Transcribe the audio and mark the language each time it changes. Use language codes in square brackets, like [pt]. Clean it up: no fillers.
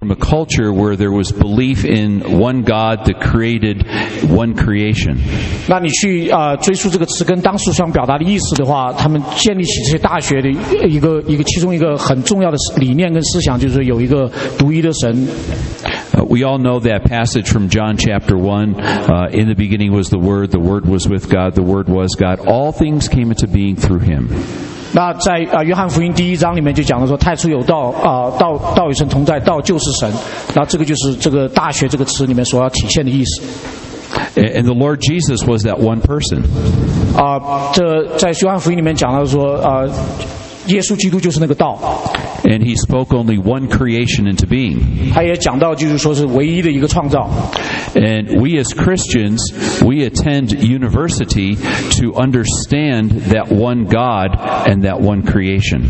[en] From a culture where there was belief in one God that created one creation. [zh] 那你去追溯这个词根，当时想表达的意思的话，他们建立起这些大学的一个其中一个很重要的理念跟思想，就是有一个独一的神。 [en] We all know that passage from John chapter 1. In the beginning was the Word was with God, the Word was God. All things came into being through Him. [zh] 那在约翰福音第一章里面就讲了说，太初有道，道与神同在，道就是神。那这个就是这个大学这个词里面所要体现的意思。 [en] And the Lord Jesus was that one person. [zh] 这在约翰福音里面讲了说，耶稣基督就是那个道。 [en] And he spoke only one creation into being. [zh] 他也讲到就是说是唯一的一个创造。 [en] And we as Christians, we attend university to understand that one God and that one creation.